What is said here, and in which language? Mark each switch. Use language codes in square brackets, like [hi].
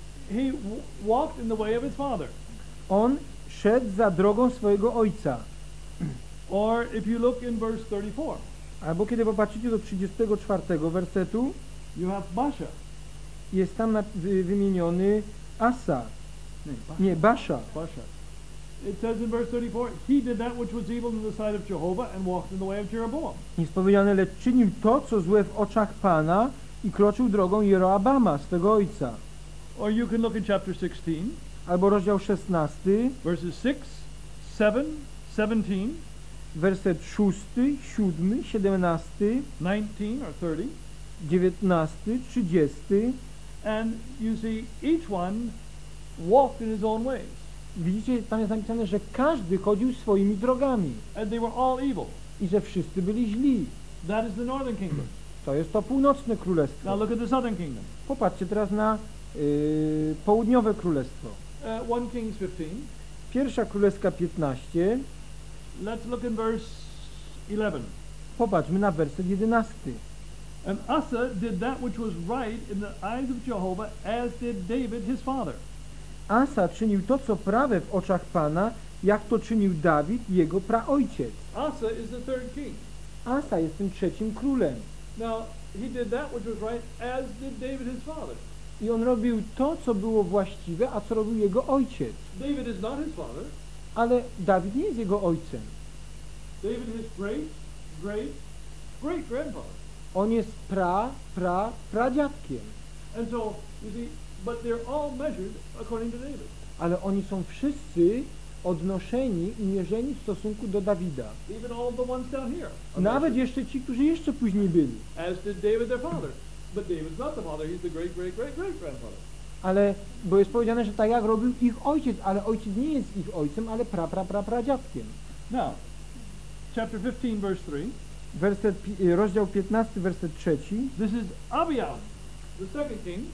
[en] He walked in the way of his father. [pl] On szedł za drogą swojego ojca. [en] Or if you look in verse 34. [pl] Albo kiedy popatrzycie do 34 wersetu, [en] you have Basha. [pl] Jest tam wymieniony Asa. Nie, [en] Basha. Basha. It says in verse 34, he did that which was evil in the sight of Jehovah and walked in the way of Jeroboam. [pl] Jest powiedziane, lecz czynił to, co złe w oczach Pana, i kroczył drogą Jeroboama, swego ojca. [en] Or you can look in chapter 16. [pl] Albo rozdział 16. [en] Verses 6, 7, 17. [pl] Werset 6, 7, 17. [en] 19 or 30. [pl] 19, 30. [en] And you see, each one walked in his own ways. [pl] Widzicie, tam jest napisane, że każdy chodził swoimi drogami. [en] And they were all evil. [pl] I że wszyscy byli źli. [en] That is the northern kingdom. [pl] To jest to północne królestwo. [en] Now look at the southern kingdom. [pl] Popatrzcie teraz na południowe królestwo. [en] 1 Kings 15. [pl] Pierwsza królewska 15. [en] Let's look in verse 11. [pl] Popatrzmy na werset 11. [en] And Asa did that which was right in the eyes of Jehovah, as did David his father. [pl] Asa czynił to, co prawe w oczach Pana, jak to czynił Dawid, jego praojciec. [en] Asa is the third king. [pl] Asa jest tym trzecim królem. [en] Now, he did that which was right, as did David his father. [pl] I on robił to, co było właściwe, a co robił jego ojciec. [en] David is not his father. [pl] Ale Dawid nie jest jego ojcem. [en] David is great, great, great grandfather. [pl] On jest pradziadkiem. [en] And so, you see, but they're all measured according to David. [pl] Ale oni są wszyscy odnoszeni i mierzeni w stosunku do Dawida. [en] Even all the ones down here, [pl] nawet jeszcze ci, którzy jeszcze później byli. [en] As did David their father. But David's not the father, he's the great, great, great, great grandfather. [pl] Ale, bo jest powiedziane, że tak jak robił ich ojciec, ale ojciec nie jest ich ojcem, ale pra, pra, pra, pra dziadkiem. [en] Now, chapter 15, verse 3. [pl] Werset, rozdział 15, werset 3. [en] This is Abiam, the second king.